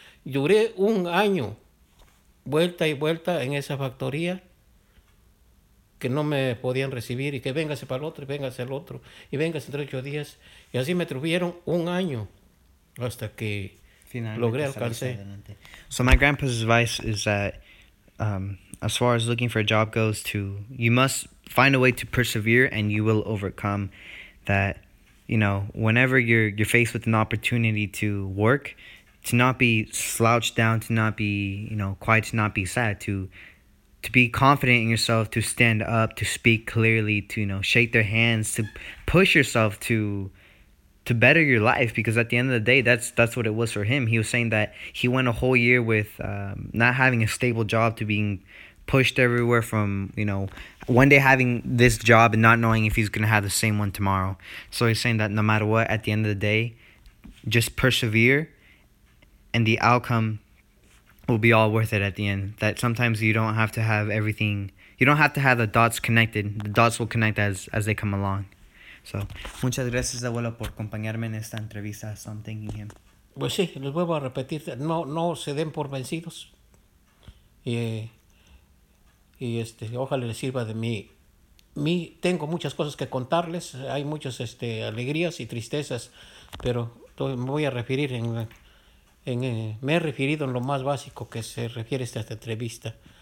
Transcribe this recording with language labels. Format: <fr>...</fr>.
<es>Duré un año vuelta y vuelta en esa factoría, que no me podían recibir, y que véngase para el otro, y véngase el otro, y véngase entre 8 días. Y así me tuvieron un año hasta que finalmente logré alcanzar.</es> <en>So my grandpa's advice is that as far as looking for a job goes, to you must find a way to persevere and you will overcome. That, you know, whenever you're faced with an opportunity to work, to not be slouched down, to not be, you know, quiet, to not be sad, to be confident in yourself, to stand up, to speak clearly, to, you know, shake their hands, to push yourself to better your life, because at the end of the day, that's what it was for him. He was saying that he went a whole year with not having a stable job, to being pushed everywhere, from, you know, one day having this job and not knowing if he's gonna have the same one tomorrow. So he's saying that no matter what, at the end of the day, just persevere, and the outcome will be all worth it at the end. That sometimes you don't have to have everything, you don't have to have the dots connected. The dots will connect as they come along. So,</en> <es>muchas gracias, abuelo, por acompañarme en esta entrevista.</es> <en>So I'm thanking him.</en> <es>Pues sí, les vuelvo a repetir, no se den por vencidos. Y ojalá les sirva de mí. Tengo muchas cosas que contarles. Hay muchas alegrías y tristezas, pero me voy a referir me he referido en lo más básico que se refiere a esta entrevista.</es>